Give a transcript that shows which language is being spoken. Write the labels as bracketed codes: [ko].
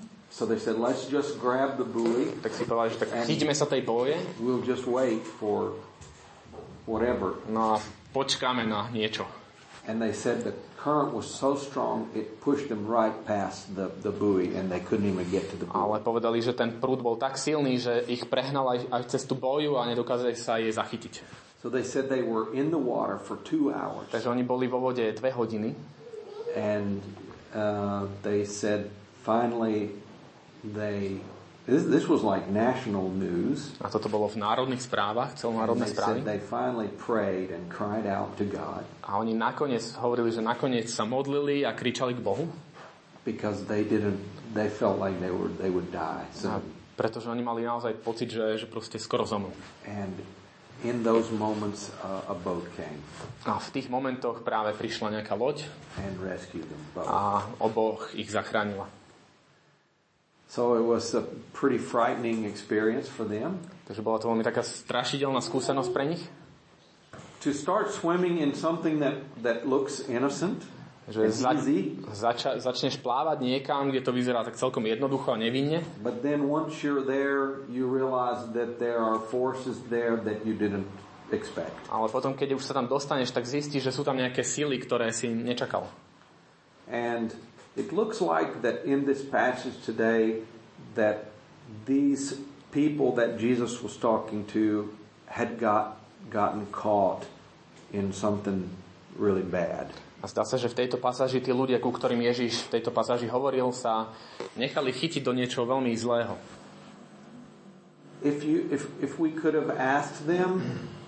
[en] So they said, let's just grab the buoy. [sk] Tak si povedali, že tak chytíme sa tej boje. [en] We'll just wait for whatever. [sk] No, počkáme na niečo. [en] And they said the current was so strong it pushed them right past the buoy and they couldn't even get to the buoy. [sk] Ale povedali, že ten prúd bol tak silný, že ich prehnal aj cez tú boju a nedokázali sa jej zachytiť. [en] So they said they were in the water for 2 hours. [sk] Takže oni boli vo vode 2 hodiny. [en] And they said finally this was like national news. [sk] A toto bolo v národných správach, celonárodné správy. [en] And they finally prayed and cried out to God. [sk] A oni nakoniec hovorili, že nakoniec sa modlili a kričali k Bohu. [en] Because they felt like they would die. So, [sk] pretože oni mali naozaj pocit, že proste skoro zomrú. [en] And in those moments a boat came. [sk] A v tých momentoch práve prišla nejaká loď. [en] And rescued them both. [sk] A oboch ich zachránila. [en] So it was a pretty frightening experience for them. [sk] Takže bola to veľmi taká strašidelná skúsenosť pre nich. [en] To start swimming in something that looks innocent. [sk] Že začneš plávať niekam, kde to vyzerá tak celkom jednoducho a nevinne. [en] But then once you're there, you realize that there are forces there that you didn't expect. [sk] Ale potom keď už sa tam dostaneš, tak zistíš, že sú tam nejaké síly, ktoré si nečakal. [en] And it looks like that in this passage today that these people that Jesus was talking to had gotten caught in something really bad. [sk] A zdá sa, že v tejto pasáži tí ľudia, ku ktorým Ježiš v tejto pasáži hovoril, sa nechali chytiť do niečo veľmi zlého. [en] If we could have asked them,